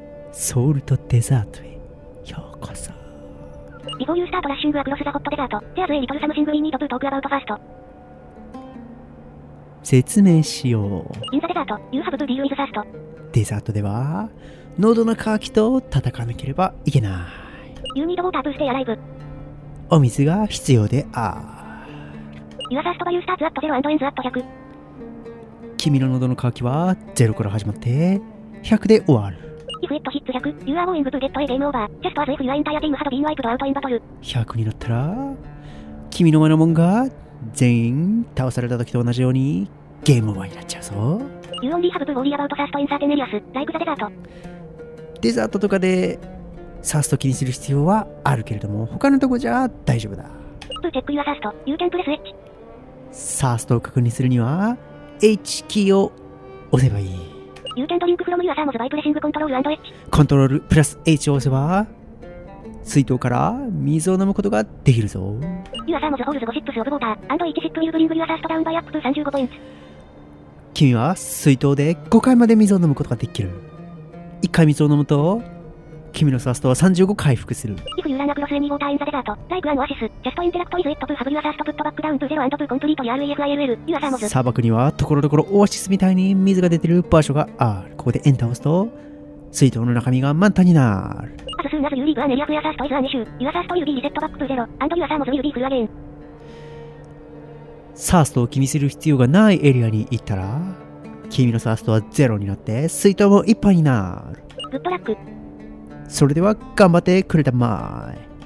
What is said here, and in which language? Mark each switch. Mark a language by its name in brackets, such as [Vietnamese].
[Japanese] ソウルとデザートへようこそ。 [English] Before you start rushing across the hot desert, there's a little something we need to talk about first. [Japanese] 説明しよう。 [English] In the desert, you have to deal with thirst. [Japanese] デザートでは、喉の渇きと戦わなければいけない。 [English] You need water to stay alive. [Japanese] お水が必要である。 [English] Your thirst value starts at 0 and ends at 100. [Japanese] 君の喉の渇きは0から始まって100で終わる。 [English] If it hits 100, you are going to get a game over. Just as if your entire team had been wiped out in battle. [Japanese] 100になったら、君の前のモンが全員倒された時と同じようにゲームオーバーになっちゃうぞ。 [English] You only have to worry about thirst in certain areas, like the desert. [Japanese] デザートとかでサースト気にする必要はあるけれども、他のとこじゃ大丈夫だ。 [English] To check your thirst, you can press H. [Japanese] サーストを確認するには、H キーを押せばいい。 [English] You can drink from your thermos by pressing control and H. [Japanese] コントロールプラス H を押せば、水筒から水を飲むことができるぞ。 [English] Your thermos holds 5 sips of water, and each sip will bring your thirst down by up to 35 points. [Japanese] 君は水筒で5回まで水を飲むことができる。1回水を飲むと、君のサーストは35回復する。 [English] If you run across any water in the desert, like an oasis, just interact with it to have your thirst put back down to 0 and to complete your RAFILL, your thermos. [Japanese] 砂漠には所々オアシスみたいに水が出てる場所がある。ここでエンターを押すと、水筒の中身が満タンになる。 [English] As soon as you leave an area where thirst is an issue, your thirst will be reset back to 0 and your thermos will be full again. [Japanese] サーストを気にする必要がないエリアに行ったら、君のサーストは0になって、水筒もいっぱいになる。 [English] Good luck! [Japanese] それでは頑張ってくれたまえ。